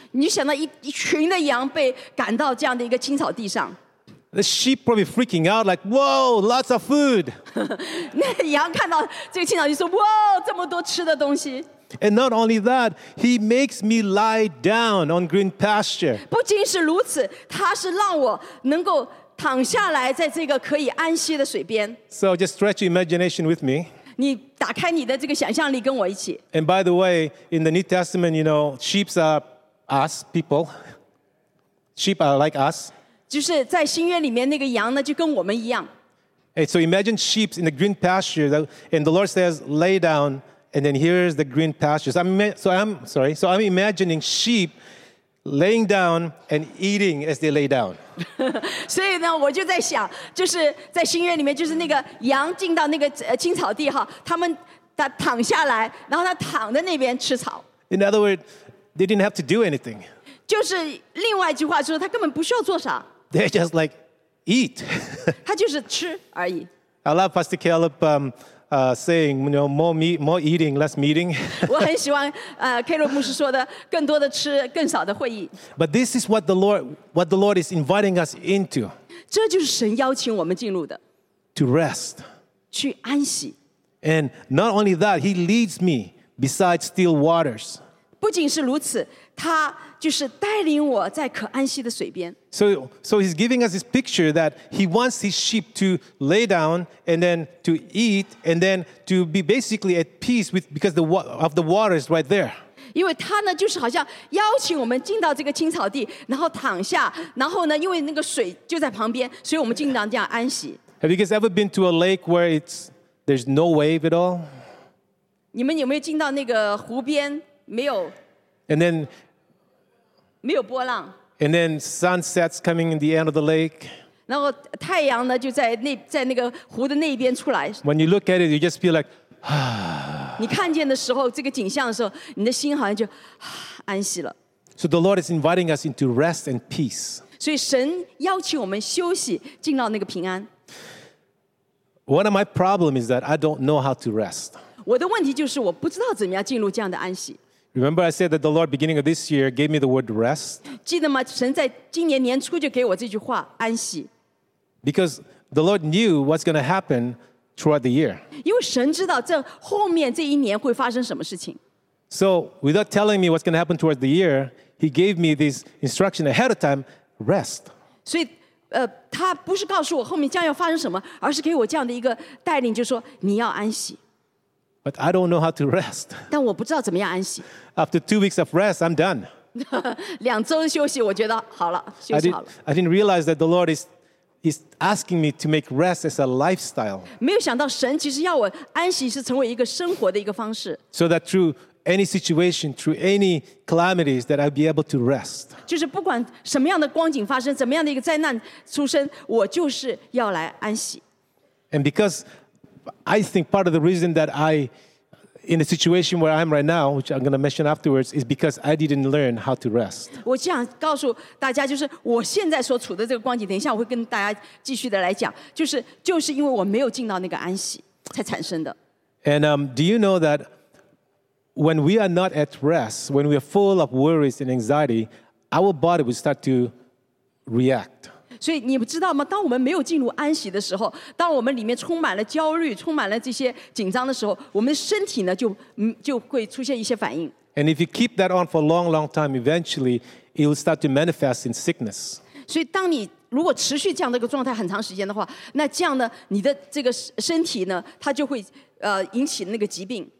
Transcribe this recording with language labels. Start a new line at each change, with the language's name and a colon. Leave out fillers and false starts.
Chinese: 你想到一群的羊被赶到这样的一个青草地上。
English: The sheep probably freaking out like, whoa, lots of food.
Chinese: 那羊看到这个青草地说，哇，这么多吃的东西。
English: And not only that, he makes me lie down on green pasture.
Chinese: 不仅是如此，他是让我能够躺下来在这个可以安息的水边。
English: So just stretch your imagination with me.
Chinese: 你打开你的这个想象力跟我一起。
English: And by the way, in the New Testament, you know, sheep are us, people. Sheep are like us.
Chinese: 就是在新约里面那个羊呢，就跟我们一样。
English: And so imagine sheep in the green pasture, and the Lord says, lay down, and then here's the green pastures. I'm imagining sheep laying down and eating as they lay down.
Chinese: 所以呢，我就在想，就是在新约里面，就是那个羊进到那个青草地哈，他躺下来，然后他躺在那边吃草。
English: In other words, they didn't have to do anything.
Chinese: 就是另外一句话说，他根本不需要做啥。
English: They just like eat.
Chinese: 他就是吃而已。
English: I love Pastor Caleb. Saying, you know, more eating, less meeting.
Chinese: 我很喜欢Caleb 牧师说的，更多的吃，更少的会议。
English: But this is what the Lord is inviting us into.
Chinese: 这就是神邀请我们进入的。
English: To rest.
Chinese: 去安息。
English: And not only that, he leads me beside still waters.
Chinese: 不仅是如此，他就是带领我在可安息的水边。
English: So he's giving us this picture that he wants his sheep to lay down and then to eat and then to be basically at peace with because of the water is right there.
Chinese: 因为他呢，就是好像邀请我们进到这个青草地，然后躺下，然后呢，因为那个水就在旁边，所以我们经常这样安息。
English: Have you guys ever been to a lake where there's no wave at all?
Chinese: 你们有没有进到那个湖边？没有。
English: And then
Chinese: 没有波浪。
English: And then sunset's coming in the end of the lake.
Chinese: 然后太阳呢, 就在那个湖的那边出来。
English: When you look at it, you just feel like,
Chinese: 你看见的时候, 这个景象的时候, 你的心好像就, 安息了。
English: So the Lord is inviting us into rest and peace.
Chinese: 所以神邀请我们休息, 进到那个平安。
English: One of my problems is that I don't know how to rest.
Chinese: 我的问题就是我不知道怎么样进入这样的安息。
English: Remember I said that the Lord, beginning of this year, gave me the word rest?
Chinese: 记得吗? 神在今年年初就给我这句话, 安息。
English: Because the Lord knew what's going to happen throughout the year.
Chinese: 因为神知道这后面这一年会发生什么事情。
English: So without telling me what's going to happen towards the year, he gave me this instruction ahead of time, rest.
Chinese: 所以, 他不是告诉我后面将要发生什么, 而是给我这样的一个带领, 就是说, 你要安息。
English: But I don't know how to rest. After 2 weeks of rest, I'm done.
Chinese: 两周休息, 我觉得好了,
English: I didn't realize that the Lord is asking me to make rest as a lifestyle.
Chinese: 没有想到神其实要我安息是成为一个生活的一个方式。
English: So that through any situation, through any calamities, that I'd be able to rest.
Chinese: 就是不管什么样的光景发生, 怎么样的一个灾难出生, 我就是要来安息。
English: And because I think part of the reason that I, in the situation where I'm right now, which I'm going to mention afterwards, is because I didn't learn how to rest.
Chinese: 我这样告诉大家，就是我现在所处的这个光景，等一下我会跟大家继续的来讲，就是因为我没有进到那个安息才产生的。
English: And do you know that when we are not at rest, when we are full of worries and anxiety, our body will start to react.
Chinese: 所以你知道吗? 当我们没有进入安息的时候, 当我们里面充满了焦虑, 充满了这些紧张的时候, 我们的身体呢, 就会出现一些反应。
English: And if you keep that on for a long, long time, eventually, it will start to manifest in sickness.
Chinese: 所以当你, 如果持续这样的一个状态很长时间的话, 那这样呢, 你的这个身体呢, 它就会, 引起那个疾病。